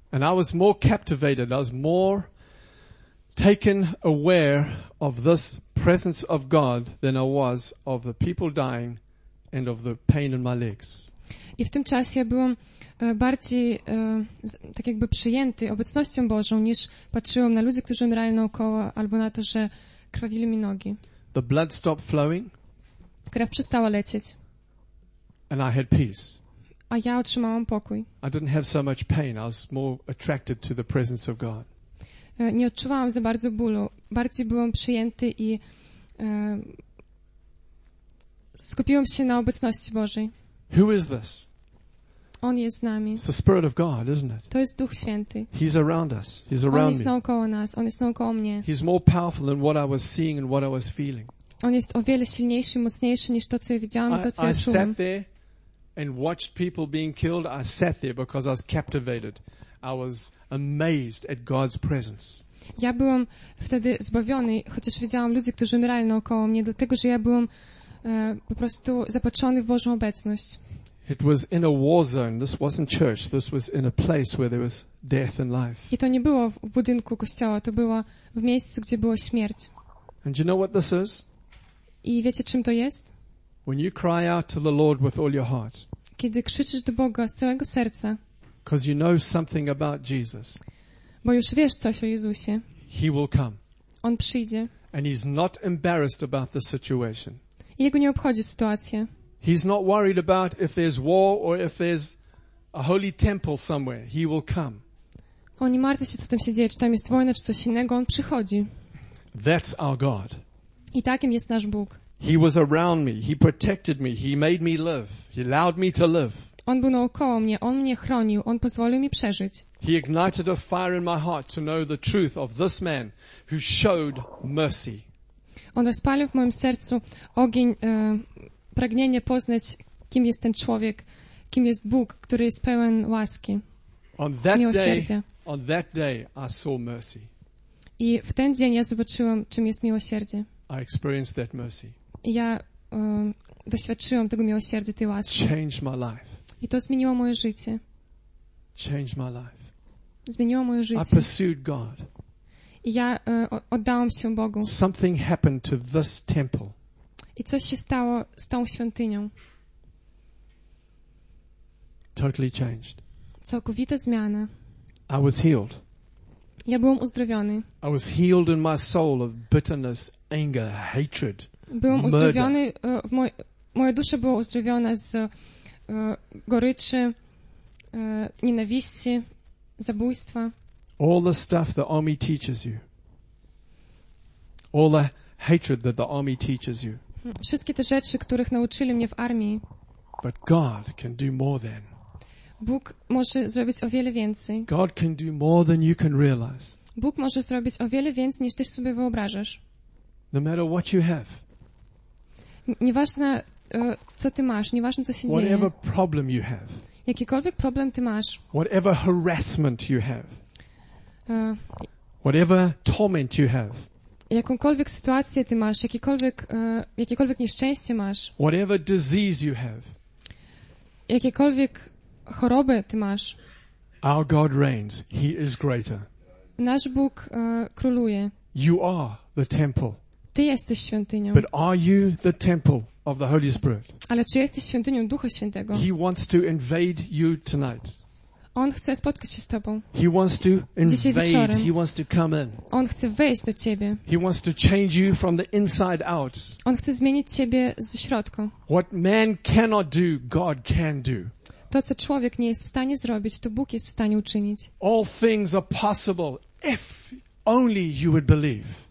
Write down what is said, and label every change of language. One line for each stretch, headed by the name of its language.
English: And I was more captivated, I was more taken aware of this presence of God than I was of the people dying and of the pain in my legs.
Polish: I w tym czasie byłam bardziej tak jakby przyjęty obecnością Bożą, niż patrzyłam na ludzi, którzy umierali naokoło, albo na to, że krwawili mi nogi.
English: The blood stopped flowing.
Polish: Krew przestała lecieć.
English: And I had peace.
Polish: A ja otrzymałam pokój.
English: I didn't have so much pain. I was more attracted to the presence of God.
Polish: Nie odczuwałam za bardzo bólu. Bardziej byłam przyjęty i skupiłam się na obecności Bożej.
English: Who is this?
Polish: On jest z nami.
English: It's the Spirit of God, isn't it?
Polish: To jest Duch Święty.
English: He's around us. He's around me.
Polish: On jest naokoło nas. On jest naokoło mnie.
English: He's more powerful than what I was seeing and what I was feeling.
Polish: On jest o wiele silniejszy, mocniejszy niż to, co ja widziałam i to, co ja czułam.
English: I sat there and watched people being killed. I sat there because I was captivated. I was amazed at God's presence.
Polish: Ja byłam wtedy zbawiony, chociaż widziałam ludzi, którzy umierali naokoło mnie, dlatego że ja byłam po prostu zapatrzony w Bożą obecność.
English: It was in a war zone. This wasn't church. This was in a place where there was death and life.
Polish: I to nie było w budynku kościoła, to było w miejscu, gdzie było śmierć.
English: And do you know what this is?
Polish: I wiecie, czym to jest?
English: When you cry out to the Lord with all your heart.
Polish: Kiedy krzyczysz do Boga z całego serca.
English: Because you know something about Jesus.
Polish: Bo już wiesz coś o Jezusie.
English: He will come.
Polish: On przyjdzie.
English: And he's not embarrassed about the situation.
Polish: I jego nie obchodzi sytuacja.
English: He's not worried about if there's war or if there's a holy temple somewhere. He will come.
Polish: On nie martwi się, co tam się dzieje, czy tam jest wojna, czy coś innego. On przychodzi.
English: That's our God.
Polish: I takim jest nasz Bóg.
English: He was around me. He protected me. He made me live. He allowed me to live.
Polish: On był naokoło mnie. On mnie chronił. On pozwolił mi przeżyć.
English: He ignited a fire in my heart to know the truth of this man who showed mercy.
Polish: On rozpalił w moim sercu ogień, pragnienie poznać, kim jest ten człowiek, kim jest Bóg, który jest pełen łaski, miłosierdzia.
English: On that day I saw mercy.
Polish: I w ten dzień ja zobaczyłam, czym jest miłosierdzie.
English: I experienced that mercy.
Polish: I ja doświadczyłam tego miłosierdzia, tej łaski.
English: Changed my life.
Polish: I to zmieniło moje życie.
English: Changed my life.
Polish: Zmieniło moje życie.
English: I pursued God.
Polish: I ja oddałam się Bogu.
English: Something happened to this temple.
Polish: I coś się stało z tą świątynią.
English: Totally changed.
Polish: Całkowita zmiana.
English: I was healed.
Polish: Ja byłam uzdrowiony.
English: I was healed in my soul of bitterness, anger, hatred.
Polish: Byłam uzdrowiony, moja dusza była uzdrowiona z goryczy, nienawiści, zabójstwa.
English: All the stuff the army teaches you. All the hatred that the army teaches you.
Polish: Wszystkie te rzeczy, których nauczyli mnie w armii.
English: But God can do more than.
Polish: Bóg może zrobić o wiele więcej.
English: God can do more than you can realize.
Polish: Bóg może zrobić o wiele więcej, niż ty sobie wyobrażasz.
English: No matter what you have.
Polish: Nieważne, co ty masz, nieważne, co się dzieje.
English: Whatever problem you have.
Polish: Jakikolwiek problem ty masz.
English: Whatever harassment you have. Whatever torment you have.
Polish: Jakąkolwiek sytuację ty masz, jakiekolwiek nieszczęście masz.
English: Whatever disease you have.
Polish: Jakiekolwiek chorobę ty masz.
English: Our God reigns. He is greater.
Polish: Nasz Bóg króluje.
English: You are the temple.
Polish: Ty jesteś świątynią.
English: But are you the temple of the Holy Spirit?
Polish: Ale czy jesteś świątynią Ducha Świętego?
English: He wants to invade you tonight.
Polish: On chce spotkać się z tobą.
English: He wants to invade.
Polish: Wieczorem.
English: He wants to come in.
Polish: On chce wejść do ciebie.
English: He wants to change you from the inside out.
Polish: On chce zmienić ciebie z środka.
English: What man cannot do, God can do.
Polish: To, co człowiek nie jest w stanie zrobić, to Bóg jest w stanie uczynić.
English: All things are possible if only you would believe.